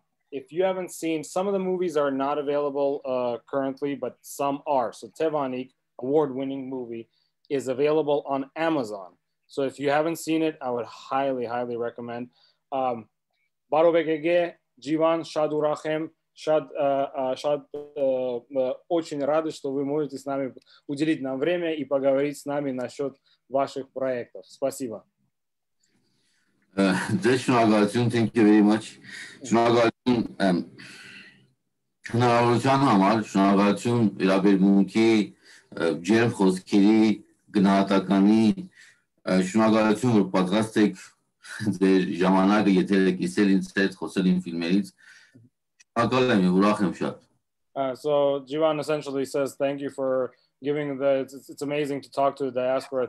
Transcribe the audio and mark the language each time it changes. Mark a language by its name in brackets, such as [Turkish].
[English] If you haven't seen, some of the movies are not available currently, but some are. So Tevanik, award-winning movie, is available on Amazon. So if you haven't seen it, I would highly, highly recommend. Baro Begege, Jivan, Shadu Rahim. [Russian] Очень рады, что вы можете с нами уделить нам время и поговорить с нами насчет ваших проектов. Спасибо. [Armenian] Շնորհակալություն, [English] thank you very much. [Armenian] Շնորհակալություն հնարավորության համար, շնորհակալություն իրավիճակի ջերմ խոսքերի գնահատականի, շնորհակալություն, որ պատրաստ եք ձեր ժամանակը եթերեք իսել ինձ հետ խոսել իմ ֆիլմերից. [English] So Jivan essentially says thank you for giving the it's amazing to talk to the diaspora.